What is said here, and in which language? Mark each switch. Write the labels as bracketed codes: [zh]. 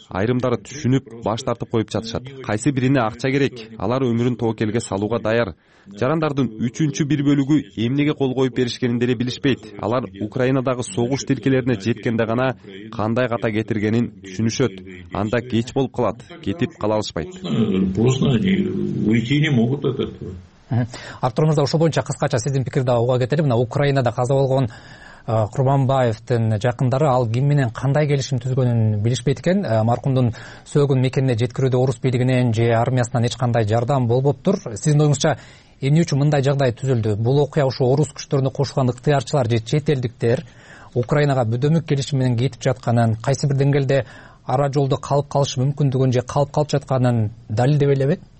[ky] Айрымдары түшүнүп баш тартып коюп жатышат. Кайсы бирине акча керек? Алар өмүрүн тоокелге салууга даяр. Жарандардын үчүнчү бир бөлүгү эмнеге кол коюп беришкенин деле билишпейт. Алар Украинадагы согуш тилкелерине жеткенде гана кандай ката кетиргенин түшүнүшөт. Анда кеч болуп калат, кетип кала алышпайт. [ru] Поздно они уйти не могут от этого. [ky] Артурмырза, ошол боюнча кыскача сиздин пикирди алууга кетели. Мына Украинада каза болгон Курманбаевдин жакындары ал ким менен кандай келишим түзгөнүн билишпейт экен. Маркумдун сөөгүн мекенине жеткирүүдө орус бийлигинен же армиясынан эч кандай жардам болбоптур. Сиздин оюңузча эмне үчүн мындай жагдай түзүлдү? Бул окуя ушул орус күчтөрүнө кошулган ыктыярчылар же чет элдиктер Украинага бүдөмүк келишим менен кетип жатканын, кайсы бир деңгээлде ара жолдо калып калышы мүмкүндүгүн же калып калып жатканын далилдеп элеби?